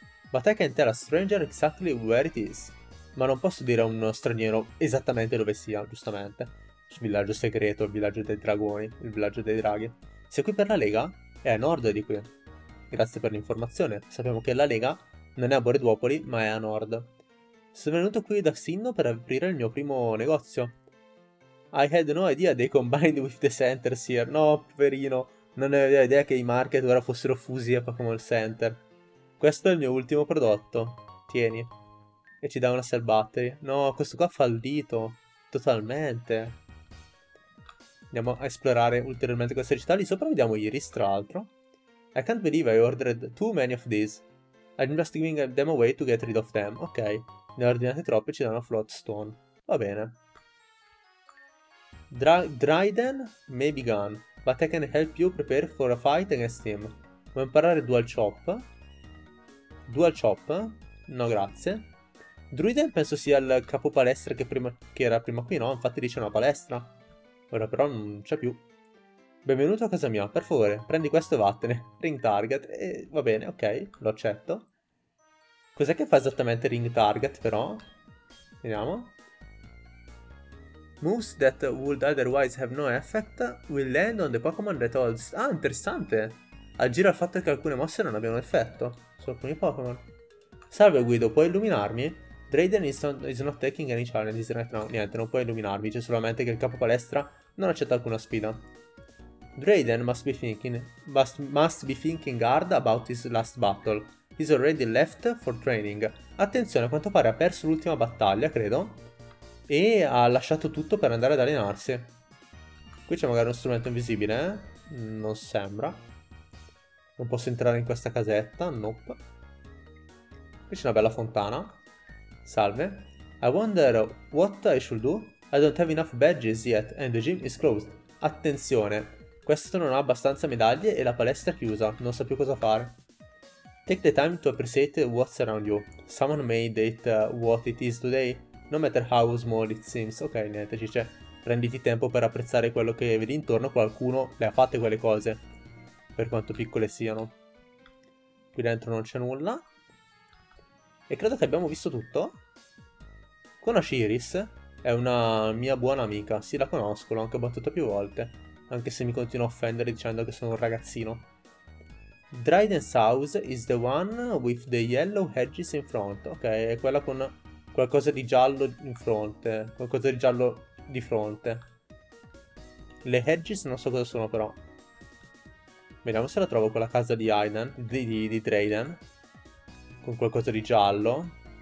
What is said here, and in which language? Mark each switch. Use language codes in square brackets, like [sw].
[en] But I can tell a stranger exactly where it is. [it] Ma non posso dire a uno straniero esattamente dove sia, giustamente. Il villaggio segreto, il villaggio dei dragoni, il villaggio dei draghi. Sei qui per la Lega? È a nord di qui. Grazie per l'informazione. Sappiamo che la Lega non è a Bore Duopoli, ma è a nord. Sono venuto qui da Sinnoh per aprire il mio primo negozio. [en] I had no idea they combined with the centers here. [it] No, poverino. Non avevo idea che i market ora fossero fusi a Pokémon Center. Questo è il mio ultimo prodotto. Tieni. E ci dà una cell battery. No, questo qua ha fallito. Totalmente. Andiamo a esplorare ulteriormente queste città. Lì sopra vediamo Iris, tra l'altro. [en] I can't believe I ordered too many of these. I'm just giving them away to get rid of them. [it] Ok. Ne ho ordinate troppe e ci danno Float Stone. Va bene. [en] Dryden may be gone, but I can help you prepare for a fight against him. [it] Vuoi imparare Dual Chop? Dual Chop? No, grazie. Dryden penso sia il capo palestra che era prima qui, no? Infatti lì c'è una palestra. Ora però non c'è più. Benvenuto a casa mia, per favore, prendi questo e vattene. Ring Target, va bene, ok, lo accetto. Cos'è che fa esattamente Ring Target, però? Vediamo. [en] Moves that would otherwise have no effect will land on the Pokémon that holds. [it] Ah, interessante! Aggira il fatto che alcune mosse non abbiano effetto su alcuni Pokémon. Salve Guido, puoi illuminarmi? [en] Dryden is not taking any challenges right now. [it] Niente, non puoi illuminarmi, c'è solamente che il capo palestra non accetta alcuna sfida. [en] Dryden must be thinking hard about his last battle. He's already left for training. [it] Attenzione, a quanto pare ha perso l'ultima battaglia, credo. E ha lasciato tutto per andare ad allenarsi. Qui c'è magari uno strumento invisibile, eh? Non sembra. Non posso entrare in questa casetta, nope. Qui c'è una bella fontana. Salve. [en] I wonder what I should do? I don't have enough badges yet and the gym is closed. [it] Attenzione, questo non ha abbastanza medaglie e la palestra è chiusa, non so più cosa fare. [en] Take the time to appreciate what's around you. Someone made it what it is today. No matter how small it seems. [it] Ok, niente, ci c'è. Prenditi tempo per apprezzare quello che vedi intorno. Qualcuno le ha fatte quelle cose. Per quanto piccole siano. Qui dentro non c'è nulla. E credo che abbiamo visto tutto. Conosci Iris? È una mia buona amica, sì, la conosco, l'ho anche battuta più volte, anche se mi continua a offendere dicendo che sono un ragazzino. [en] Dryden's house is the one with the yellow hedges in front. [it] Ok, è quella con qualcosa di giallo in fronte, qualcosa di giallo di fronte. Le hedges non so cosa sono però. Vediamo se la trovo quella casa di Aiden, di Dryden, con qualcosa di giallo.